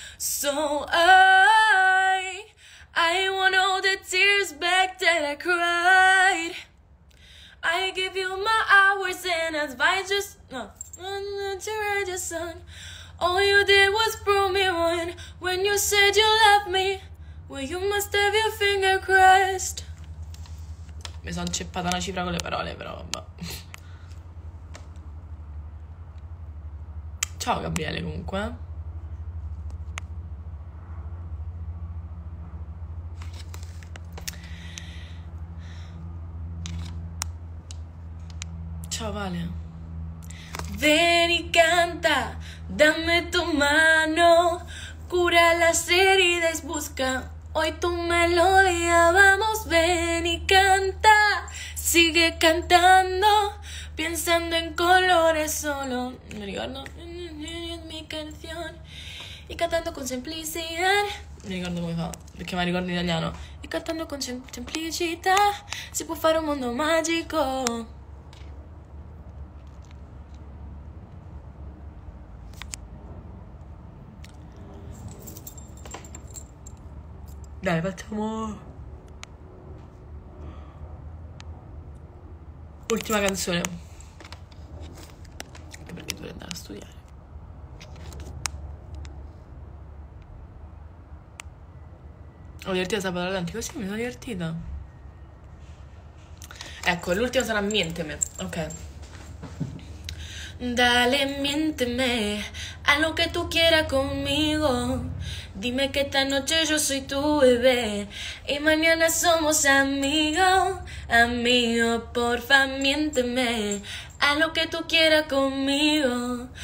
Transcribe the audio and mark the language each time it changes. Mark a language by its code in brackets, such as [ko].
[en] So I want all the tears back that I cried. I give you my hours and advice, just no, to write your song. All you did was prove me wrong when you said you loved me. Well, you must have your finger crossed. [it] Mi sono inceppata una cifra con le parole, però vabbè. Ciao Gabriele, comunque. Ciao Vale. Vieni, canta, dammi tu mano, cura la serie, [es] busca hoy tu melodía. Vamos, vieni, canta, sigue cantando, pensando en colores solo. [it] Me ricordo, [es] mi canción, y cantando con simplicidad. [it] Mi ricordo come fa, perché mi ricordo in italiano. E cantando con semplicità si può fare un mondo magico. Dai, facciamo ultima canzone. Perché dovrei andare a studiare. Ho divertito questa parola davanti così, mi sono divertita. Ecco, l'ultima sarà Mienteme. Ok. [es] Dale, miénteme, haz lo que tú quieras conmigo. Dime que esta noche yo soy tu bebé y mañana somos amigos. Amigo, porfa, miénteme, haz lo que tú quieras conmigo.